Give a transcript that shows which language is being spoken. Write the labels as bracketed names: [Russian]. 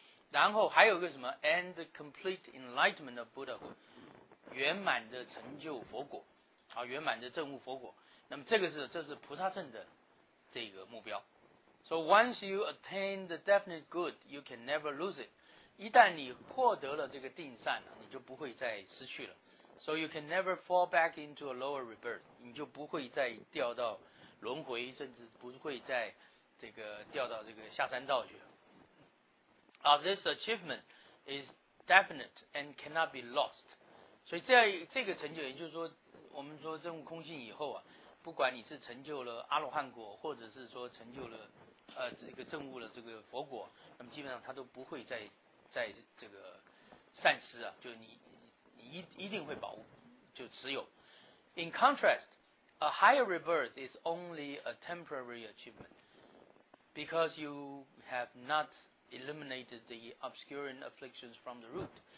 [Chinese] 然后还有一个什么 ？ [English] And the complete enlightenment of Buddhahood， [Chinese] 圆满的成就佛果，啊，圆满的证悟佛果。那么这是菩萨乘的这个目标。 [English] So once you attain the definite good， you can never lose it。 [Chinese] 一旦你获得了这个定善呢，你就不会再失去了。 [English] So you can never fall back into a lower rebirth. [Chinese] 你就不会再掉到轮回，甚至不会再这个掉到这个下三道去。 [English] This achievement is definite and cannot be lost. [Chinese] 所以这个成就，也就是说，我们说证悟空性以后啊，不管你是成就了阿罗汉果，或者是说成就了这个证悟了这个佛果，那么基本上它都不会再这个散失啊，就你。一定会保护，就持有。 [English] In contrast, a higher rebirth is only a temporary achievement because you have not eliminated the obscuring afflictions from the root.